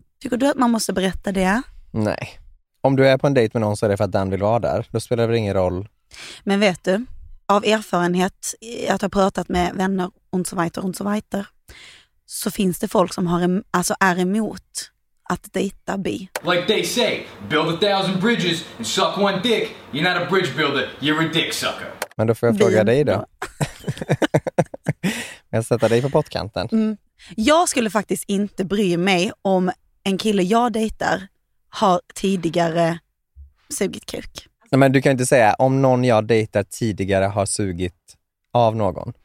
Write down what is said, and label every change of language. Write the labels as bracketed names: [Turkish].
[Swedish] Tycker du att man måste berätta det? Nej. Om du är på en dejt med någon så är det för att den vill vara där. Då spelar det ingen roll. Men vet du, av erfarenhet att ha pratat med vänner och så vidare så finns det folk som har alltså är emot att dejta bi. [English] Like they say, build 1,000 bridges and suck one dick. You're not a bridge builder, you're a dick sucker. [Swedish] Men då får jag fråga dig då. Jag sätter dig på pottkanten. Mm. Jag skulle faktiskt inte bry mig om en kille jag dejtar har tidigare sugit kuk. Men du kan inte säga om någon jag dejtat tidigare har sugit av någon.